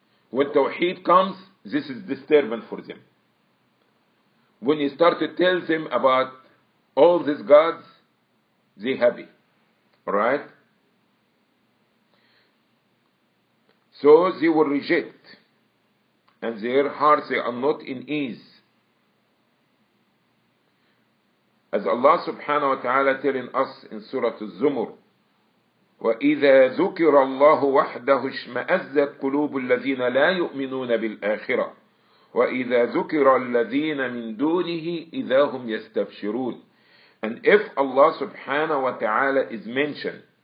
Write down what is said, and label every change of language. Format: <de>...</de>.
<en>When Tawheed comes, this is disturbing for them. When you start to tell them about all these gods, they happy. Right? So they will reject. And their hearts, they are not in ease. As Allah subhanahu wa ta'ala telling us in Surah Az-Zumur,</en> <ar>وَإِذَا ذُكِرَ اللَّهُ وَحْدَهُ اشْمَأَزَّتْ قُلُوبُ الَّذِينَ لَا يُؤْمِنُونَ بِالْآخِرَةِ وَإِذَا ذُكِرَ الَّذِينَ مِنْ دُونِهِ إِذَا هُمْ يَسْتَبْشِرُونَ.</ar> <en>And if Allah subhanahu wa ta'ala is mentioned,</en>